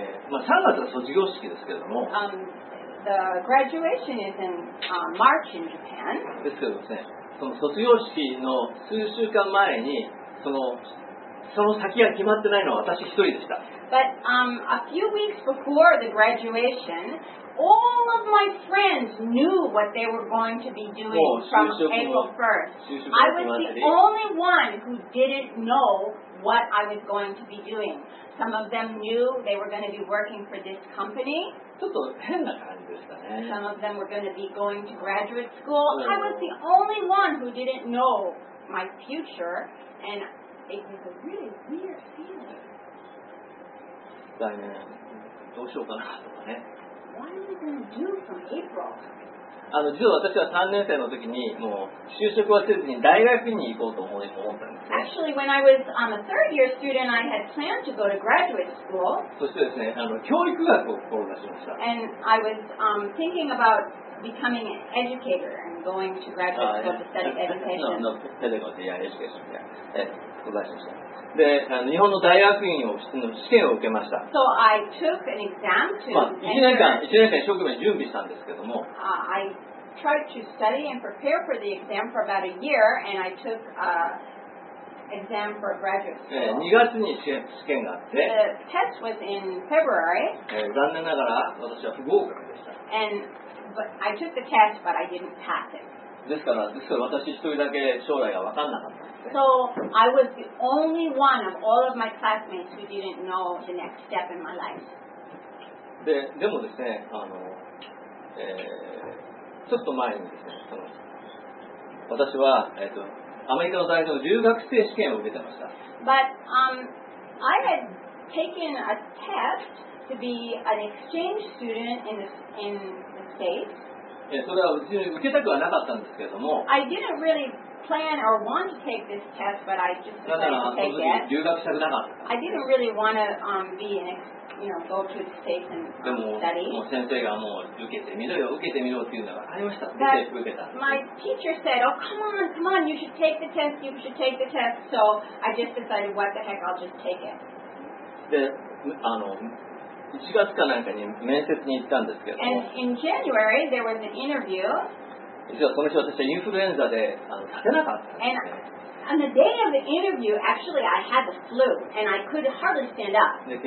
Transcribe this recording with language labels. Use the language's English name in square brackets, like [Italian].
[Japanese] まあ、3月は卒業式ですけども、 [English] The graduation is in, March in Japan. [Japanese] ですけどですね。その卒業式の数週間前にその先が決まってないのは私一人でした。 [English] But, a few weeks before the graduation, all of my friends knew what they were going to be doing from April 1st. I was the only one who didn't know what I was going to be doing. Some of them knew they were going to be working for this company. [Japanese] ちょっと変な感じでしたね。 [English] Some of them were going to be going to graduate school. I was the only one who didn't know my future, and it was a really weird feeling. [Japanese] だね、どうしようかなとかね。 [English] What are you going to do from April? [Japanese] 実は私は3年生の時にもう就職はせずに大学に行こうと思ったんです。 [English] Actually, when I was a third year student, I had planned to go to graduate school. [Japanese] そしてですね、教育学を志しました。 [English] And I was thinking about becoming an educator and going to graduate school to study education. No, pedagogy, yeah, education, yeah. [Japanese] 志しました。で、日本の大学院の試験を受けました。 [English] So I took an exam to [Japanese] 1年間一生懸命準備したんですけども。 [English] I tried to study and prepare for the exam for about a year, and I took a exam for graduate school. [Japanese] 2月に試験があって。 [English] The test was in February. [Japanese] 残念ながら私は不合格でした。 [English] And but I took the test, but I didn't pass it. [Japanese] ですから私一人だけ将来が分かんなかったんです、ね。 [English] So I was the only one of all of my classmates who didn't know the next step in my life. [Japanese] でもですね、ちょっと前にですね、私は、アメリカの大学の留学生試験を受けてました。 [English] But, I had taken a test to be an exchange student in the States. [Japanese] それは受けたくはなかったんですけれども。 [English] I didn't really plan or want to take this test, but I just decided to take it. [Japanese] ただ、その時に留学したくなかった。 [English] I didn't really want to, be an exchangego to the States and study. [Japanese] でも、先生がもう受けてみろよ、受けてみろって言うんだから、ありました、受けた。 [English] My teacher said, oh, come on, you should take the test, you should take the test. So I just decided, what the heck, I'll just take it. [Japanese] で、1月かなんかに面接に行ったんですけども。 [English] And in January, there was an interview. [Japanese] 実はその日私はインフルエンザで、立てなかったんですね。 [English] On the day of the interview, actually, I had the flu, and I could hardly stand up.